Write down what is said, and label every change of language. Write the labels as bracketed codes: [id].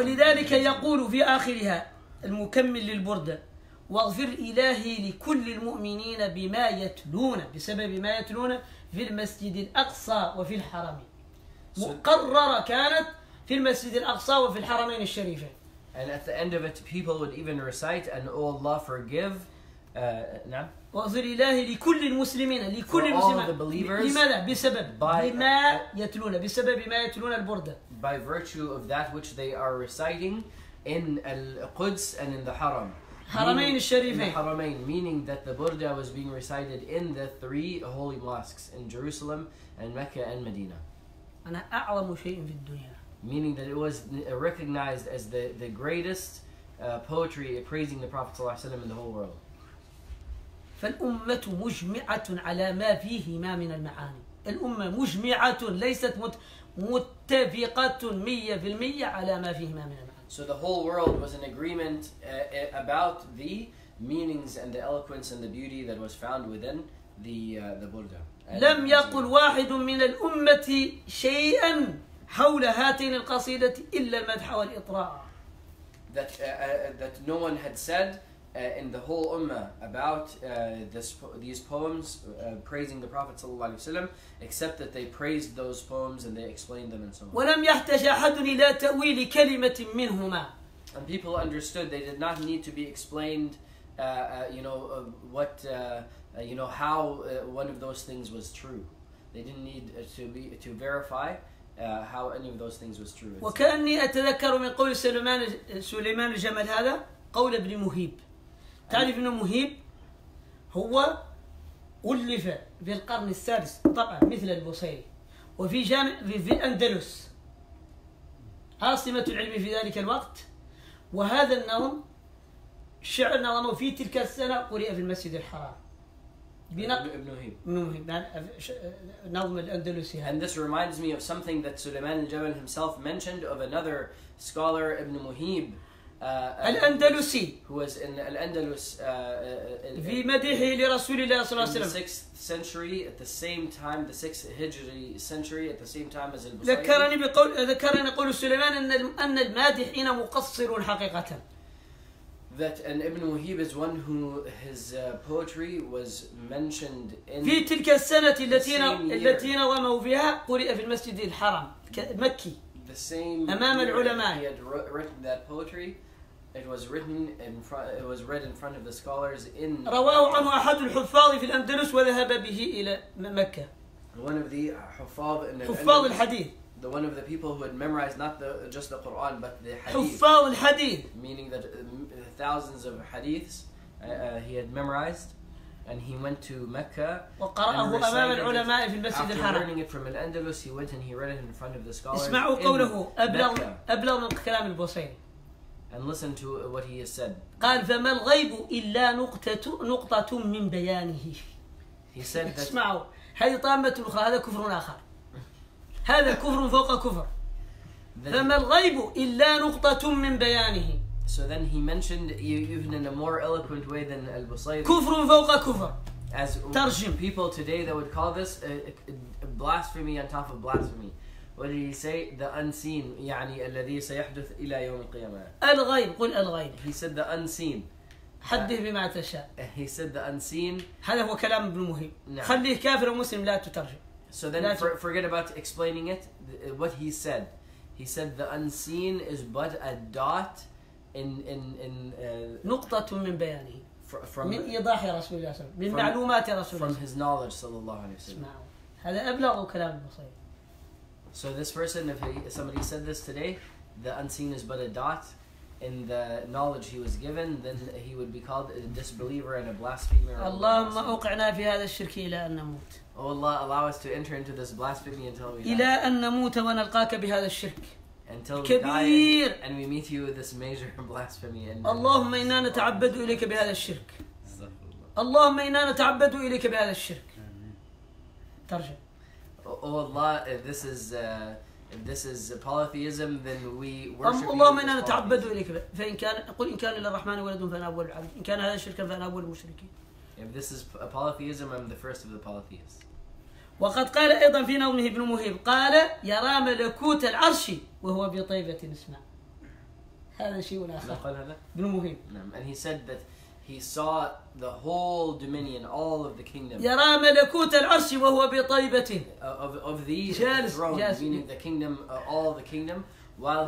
[ar] ولذلك يقول في آخرها المكمل للبردة واغفر إلهي لكل المؤمنين بما يتلون بسبب ما يتلون في المسجد الأقصى وفي الحرم. مقررة كانت في المسجد الأقصى وفي الحرمين الشريفين. [en] And at the end of it, people would even recite, "And oh Allah, forgive." [ar] نعم. واغفر إلهي لكل المسلمين لكل المسلمين لماذا بسبب بما يتلون بسبب ما يتلون البردة [en] by virtue of that which they are reciting in القدس and in the حرم [ar] حرمين الشريفين [en] حرمين meaning that the بردة was being recited in the three holy mosques in Jerusalem and Mecca and Medina [ar] أنا أعظم شيء في الدنيا [en] meaning that it was recognized as the greatest poetry praising the Prophet [ar] صلى الله عليه وسلم [en] in the whole world [ar] فالأمة مجمعة على ما فيه ما من المعاني الأمة مجمعة ليست متفقة 100% على ما فيه ما من المعاني [en] So the whole world was in agreement about the meanings and the eloquence and the beauty that was found within the Buddha [ar] لم يقل واحد من الأمة شيئا حول هاتين القصيدة إلا المدح والإطراء [en] that no one had said in the whole ummah about these poems praising the Prophet [ar] صلى الله عليه وسلم [en] except that they praised those poems and they explained them and so on. [ar] وَلَمْ يَحْتَجَ أَحَدٌ إِلَى تَأْوِيلِ كَلِمَةٍ مِّنْهُمَا [en] And people understood, they did not need to be explained how one of those things was true. They didn't need to verify how any of those things was true. [ar] وَكَأَنِّي أَتَذَكَّرُ مِنْ قَوْلِ سُلَيْمَانِ الْجَمَلْ هَذَا قَوْلَ ابْنِ مُهِيبْ تعرف ابن مهيب هو ألف في القرن السادس طبعا مثل البصيري وفي جامع في الأندلس عاصمة العلم في ذلك الوقت وهذا النظم شعر نظمه في تلك السنة قرئ في المسجد الحرام [en] And this reminds me of something that Sulaiman al-Jamal himself mentioned of another scholar Ibn Muhib [ar] الأندلسي [en] who was in Al-Andalus [ar] في مدحه لرسول الله صلى الله عليه وسلم [en] in the 6th century at the same time the 6th Hijri century at the same time as Al-Busayri [ar] ذكرني بقول ذكرني قول سليمان أن المادحين مقصر حقيقة [en] that an Ibn Wahib is one who his poetry was mentioned in [ar] في تلك السنة التي نظموا فيها قرئ في المسجد الحرم مكي [en] the same [ar] أمام العلماء [en] he had written that poetry it was written in front it was read in front of the scholars in [ar] رواه عنه أحد الحفاظ في الأندلس وذهب به إلى مكة [en] one of the حفاظ in [ar] حفاظ الحديث [en] The one of the people who had memorized not the just the Quran but the hadith. [ar] حفاظ الحديث. [en] Meaning that thousands of hadiths he had memorized, and he went to Mecca. [ar] وقرأه أمام العلماء في المسجد الحرام. [en] After learning it from Al-Andalus, he went and he read it in front of the scholars. [ar] اسمعوا قوله أبلغ من كلام البصين. [en] And listen to what he has said. [ar] قال فما الغيب إلا نقطة من بيانه. [en] He said that. [ar] اسمعوا هذه طامة أخرى هذا كفر آخر. هذا كفر فوق كفر. فما الغيب إلا نقطة من بيانه. [en] So then he mentioned even in a more eloquent way than Al-Busayri. [ar] كفر فوق كفر. [en] As [ar] ترجم. [en] People today that would call this a blasphemy on top of blasphemy. What did he say? The unseen. [ar] يعني الذي سيحدث إلى يوم القيامة. الغيب. قل الغيب. [en] He said the unseen. [ar] حدث بما تشاء. [en] He said the unseen. [ar] هذا هو كلام ابن مهيب. خليه كافر ومسلم لا تترجم. [en] So then forget about explaining it. What he said. He said the unseen is but a dot in [ar] نقطة من بيانه. [en] From [ar] من إيضاح رسول الله صلى الله عليه وسلم. من معلومات رسول الله صلى الله عليه وسلم. [en] From his knowledge [ar] صلى الله عليه وسلم. هذا أبلغ كلام البصير. [en] So this person, if somebody said this today, the unseen is but a dot in the knowledge he was given, then he would be called a disbeliever and a blasphemer. [ar] اللهم أوقعنا في هذا الشرك إلى أن نموت. [en] Oh Allah, allow us to enter into this blasphemy until we die. [ar] إلى أن نموت ونلقاك بهذا الشرك. [en] Until we die and we meet you with this major blasphemy. [ar] اللهم إنا نتعبد إليك بهذا الشرك. اللهم إنا نتعبد إليك بهذا الشرك. ترجم. [en] Oh Allah, if this is polytheism, then we worship you. [ar] اللهم إنا نتعبد إليك فإن كان قل إن كان للرحمن ولد فأنا أول العبيد إن كان هذا الشرك فأنا أول المشركين. [en] If this is a polytheism, I'm the first of the polytheists. [ar] وقد قال أيضا في نومه ابن مهيب قال يرى ملكوت العرش وهو بطيبة نسمع هذا شيء آخر. قال هذا ابن مهيب. نعم. [en] And he said that he saw the whole dominion, all of the kingdom. [ar] يرى ملكوت العرش وهو بطيبة. [en] Of the throne, meaning the kingdom, all the kingdom, while